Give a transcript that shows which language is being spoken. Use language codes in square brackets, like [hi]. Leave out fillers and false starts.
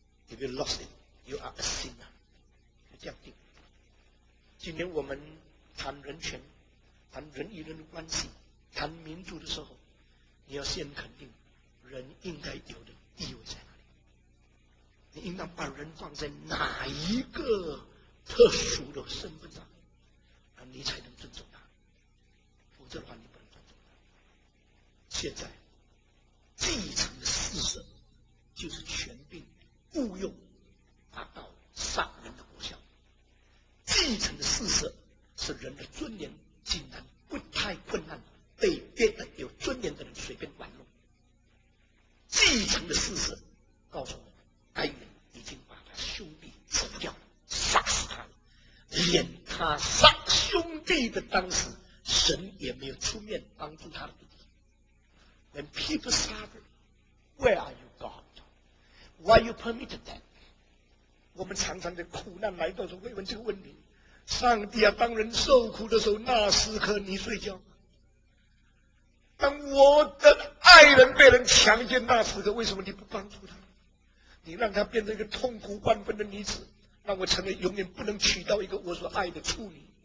[en] If you lost it, you are a sinner. [zh] 这样定。今天我们谈人权、谈人与人的关系、谈民主的时候，你要先肯定人应该有的地位在哪里。你应当把人放在哪一个特殊的身份上，那你才能尊重他。否则的话，你不能尊重他。现在。继承的事实就是权柄误用达到杀人的果效，继承的事实是人的尊严竟然不太困难被别的有尊严的人随便玩弄，继承的事实告诉我们该隐已经把他兄弟除掉了，杀死他了，连他杀兄弟的当时神也没有出面帮助他的。 [en] When people suffer, where are you, God? Why you permitted that? [zh] 我们常常的苦难来到的时候会问这个问题：上帝啊，当人受苦的时候，那时刻你睡觉吗？当我的爱人被人强奸，那时刻为什么你不帮助他？你让他变成一个痛苦万分的女子，让我成为永远不能娶到一个我所爱的处女。